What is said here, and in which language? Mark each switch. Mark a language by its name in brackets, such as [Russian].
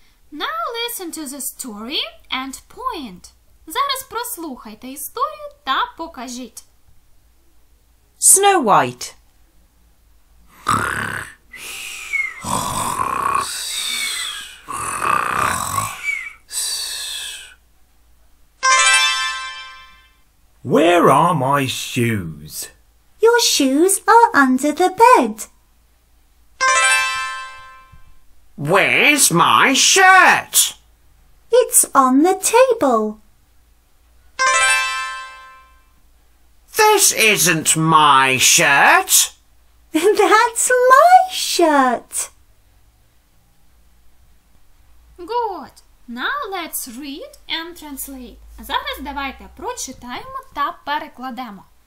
[English] Now listen to the story and point. [Ukrainian] Зараз прослухайте історію та покажіть. [English] Snow White. Where are my shoes? Your shoes are under the bed. Where's my shirt? It's on the table. This isn't my shirt. That's my shirt. Good. Now let's read and translate. [Ukrainian] Зараз давайте прочитаємо та перекладемо.